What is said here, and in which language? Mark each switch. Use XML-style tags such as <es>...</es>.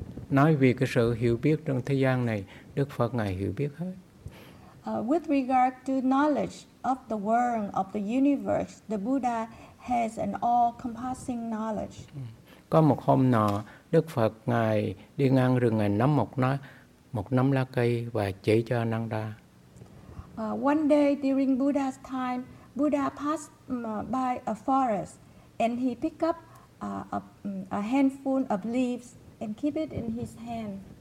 <vi>Nói vì cái sự hiểu biết trong thế gian này, Đức Phật ngài hiểu biết hết.</vi> <en>With regard to knowledge of the world, of the universe, the Buddha has an all-compassing knowledge.</en> <vi>Có một hôm nọ, Đức Phật ngài đi ngang rừng, ngài nắm một nắm lá cây và chỉ cho Ananda.</vi> <en>One day during Buddha's time, Buddha passed by a forest and he picked up a handful of leaves and keep it in his hand.</en>